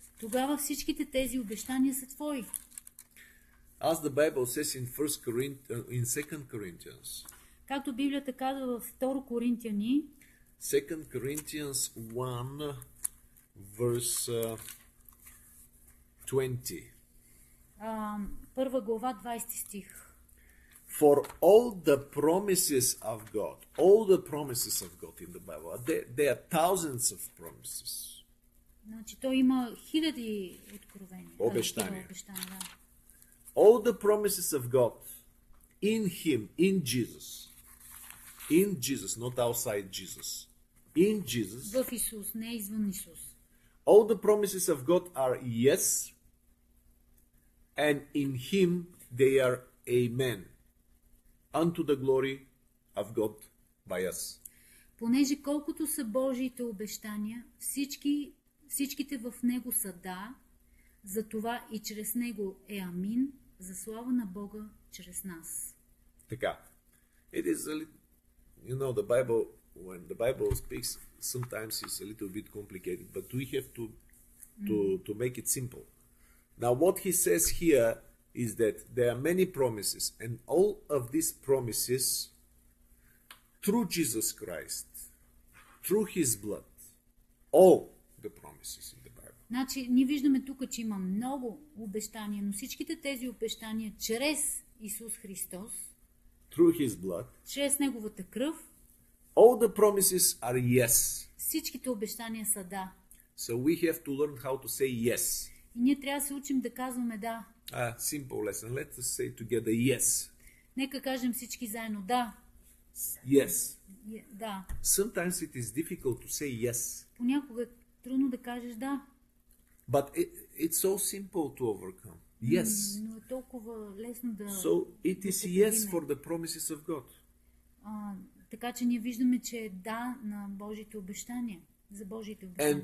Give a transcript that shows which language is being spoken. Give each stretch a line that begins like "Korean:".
Bulgarian: Тогава всичките тези обещания са твои.
English: As the Bible says in 1 Corinthians, in 2 Corinthians.
Bulgarian: Както Библията казва във 2 Коринтияни,
English: 2 Corinthians 1 verse 20.
Bulgarian: Първа глава, 20 стих.
English: For all the promises of God, all the promises of God in the Bible, there are thousands of promises.
Bulgarian: Значи то има хиляди откровения. Обещания.
English: All the promises of God in Him, in Jesus. In Jesus, not outside Jesus. In Jesus.
Bulgarian: В Исус, не извън Исус.
English: All the promises of God are yes, and in Him they are amen. Unto the glory of God by us.
Bulgarian: Понеже колкото са Божиите обещания, всичките в Него са да, затова и чрез Него е амин, за слава на Бога чрез нас. Така.
English: It is a little, you know, the Bible, when the Bible speaks, sometimes it's a little bit complicated, but we have to make it simple. Now, what he says here is that there are many promises, and all of these promises, through Jesus Christ, through His blood, all the promises in the Bible.
Bulgarian: Значи, ние виждаме тук, че има много обещания, но всичките тези обещания чрез Исус Христос,
English: through His blood,
Bulgarian: чрез Неговата кръв,
English: all the promises are yes.
Bulgarian: Всичките обещания са да.
English: So we have to learn how to say yes.
Bulgarian: И ние трябва да се учим да казваме да.
English: A simple lesson. Let us say together yes.
Bulgarian: Нека кажем всички заедно да.
English: Yes.
Bulgarian: Да.
English: Sometimes it is difficult to say yes.
Bulgarian: Понякога е трудно да кажеш да.
English: But it's so simple to overcome. Yes.
Bulgarian: Но е толкова лесно да.
English: So it is yes for the promises of God.
Bulgarian: Така че ние виждаме, че е да на Божиите обещания, за Божиите обещания.